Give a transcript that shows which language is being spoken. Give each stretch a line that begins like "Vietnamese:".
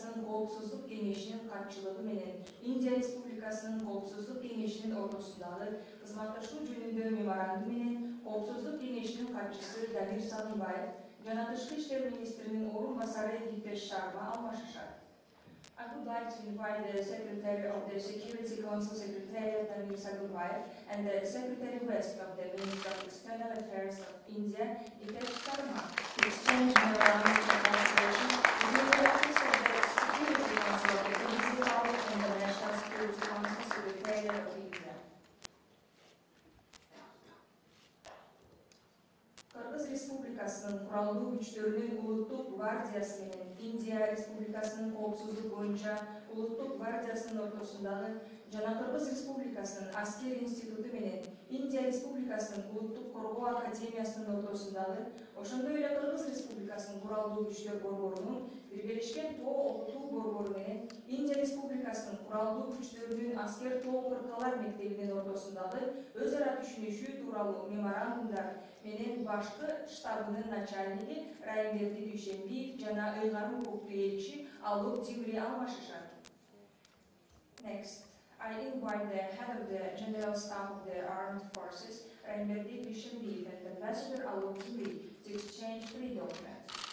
Kyrgyz: Коопсуздук кеңешинин катчылыгы менен Индия Республикасынын коопсуздук кеңешинин ортосундагы кызматташуу жөнүндө меморандум менен коопсуздук кеңешинин катчысы Дамир Салымбаев жана дышкы иштер министринин орун басары Гитеш Шарма алмашышат.
English: I would like to invite the Secretary of the Security Council Secretariat Dhamir Sagarbhai and the Secretary West of the Ministry of External Affairs of India, Gitesh Sharma, to exchange memorandum of cooperation with the Office of the Security Council of the Kyrgyz Republic and the National Security Council Secretariat of India.
Kyrgyz: Кыргыз Республикасынын куралдуу күчтөрүнүн улуттук гвардиясы менен Индия Республикасынын коопсуздук боюнча улуттук гвардиясынын ортосундагы жана Кыргыз Республикасынын аскер институту менен Индия Республикасынын улуттук коргоо академиясынын ортосундагы ошондой эле Кыргыз Республикасынын куралдуу күчтөр борборунун биргелешкен тоо окутуу борбору менен Индия Республикасынын куралдуу күчтөрүнүн аскер тоо кыркалар мектебинин ортосундагы өз ара түшүнүшүү тууралуу меморандумдар менен башкы штабынын начальниги Райымберди Дүйшөнбиев жана ыйгарым укуктуу элчи Алок Тимри алмашышат.
English: Next, I invite the head of the General Staff of the Armed Forces, Райымберди Дүйшөнбиев, and Ambassador Алок Тимри to exchange three documents.